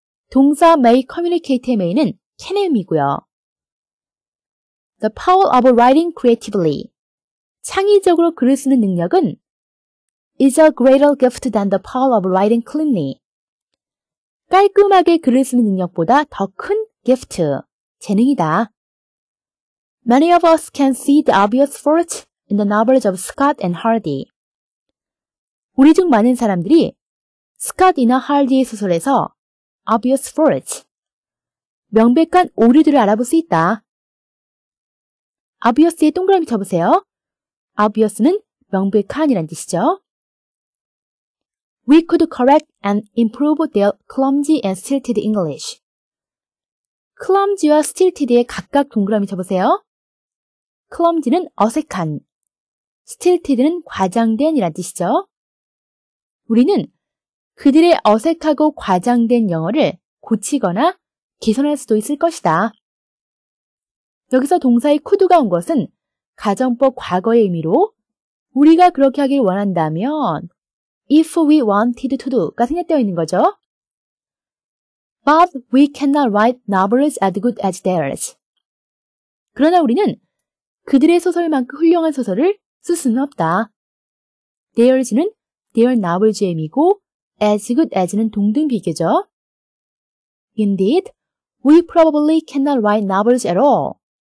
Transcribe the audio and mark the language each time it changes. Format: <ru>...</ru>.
<ko>동사 may communicate의 may는 can의 의미고요.</ko> <en>The power of writing creatively.</en> <ko>창의적으로 글을 쓰는 능력은</ko> <en>is a greater gift than the power of writing cleanly.</en> <ko>깔끔하게 글을 쓰는 능력보다 더 큰 gift, 재능이다.</ko> <en>Many of us can see the obvious faults in the novels of Scott and Hardy.</en> <ko>우리 중 많은 사람들이 스캇이나 하디의 소설에서 obvious faults, 명백한 오류들을 알아볼 수 있다. obvious의 동그라미 쳐보세요. obvious는 명백한이란 뜻이죠.</ko> <en>We could correct and improve their clumsy and stilted English.</en> <ko>clumsy와 stilted의 각각 동그라미 쳐보세요. clumsy는 어색한, stilted는 과장된이란 뜻이죠. 우리는 그들의 어색하고 과장된 영어를 고치거나 개선할 수도 있을 것이다. 여기서 동사의 could가 온 것은 가정법 과거의 의미로 우리가 그렇게 하길 원한다면</ko> <en>if we wanted to do</en> <ko>가 생략되어 있는 거죠.</ko> <en>But we cannot write novels as good as theirs.</en> <ko>그러나 우리는 그들의 소설만큼 훌륭한 소설을 쓸 수는 없다. Theirs는 their novels의 의미고 as good as는 동등 비교죠.</ko> <en>Indeed, we probably cannot write novels at all.</en>